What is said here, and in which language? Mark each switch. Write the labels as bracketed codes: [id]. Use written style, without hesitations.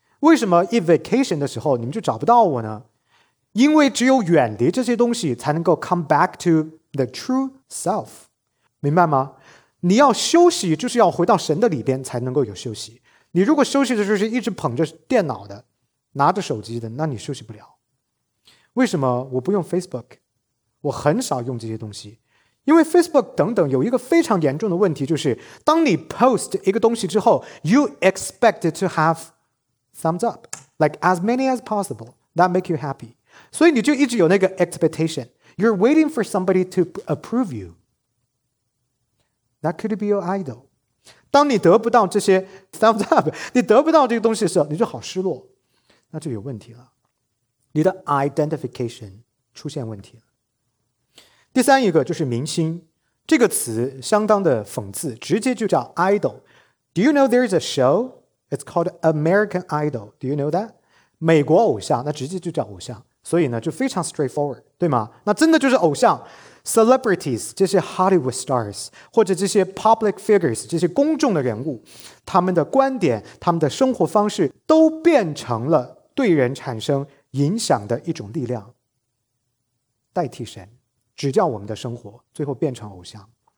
[zh] 为什么一 vacation 的时候你们就找不到我呢？因为只有远离这些东西才能够 [en] come back to the true self， [zh] 明白吗？你要休息就是要回到神的里边才能够有休息，你如果休息的时候是一直捧着电脑的，拿着手机的，那你休息不了。为什么我不用 Facebook？我很少用这些东西，因为 Facebook 等等有一个非常严重的问题，就是当你 post 一个东西之后， [en] you expect to have thumbs up， like as many as possible that make you happy， [zh] 所以你就一直有那个 expectation， [en] you're waiting for somebody to approve you， that could be your idol。 [zh] 当你得不到这些 thumbs up， 你得不到这个东西的时候，你就好失落，那就有问题了，你的 identification 出现问题了。第三一个就是明星，这个词相当的讽刺，直接就叫 idol。 [en] Do you know there is a show? It's called American Idol. Do you know that? [zh] 美国偶像，那直接就叫偶像，所以呢就非常 straightforward， 对吗？那真的就是偶像。 Celebrities， 这些 Hollywood stars， 或者这些 public figures， 这些公众的人物，他们的观点，他们的生活方式，都变成了对人产生影响的一种力量，代替神指教我们的生活，最后变成偶像。